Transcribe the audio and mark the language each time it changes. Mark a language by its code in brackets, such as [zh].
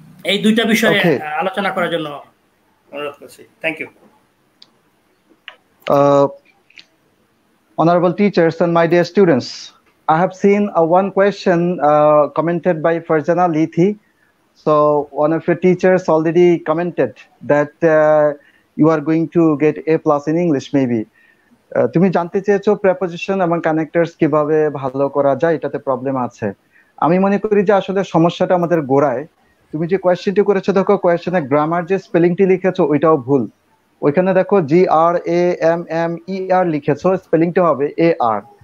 [bn] এই দুইটা বিষয়ে আলোচনা করার জন্য অনুরোধ করছি। [en] Thank you honourable teachers and my dear students, I have seen one question commented by Farzana Lithi. So one of your teachers already commented that you are going to get A plus in English maybe. [bn] তুমি জানতে চেয়েছো preposition এবং connectors কিভাবে ভালো করা যায়, এটাতে problem আছে। আমি মনে করি যে আসলে সমস্যাটা আমাদের গোড়ায়। তুমি যে কোয়েশ্চেনটি করেছো দেখো কোয়েশ্চনে গ্রামার যে স্পেলিংটি লিখেছো ওইটাও ভুল, ওইখানে দেখো জি আর এ এম এম ই আর লিখেছো, স্পেলিংটি হবে এ আর।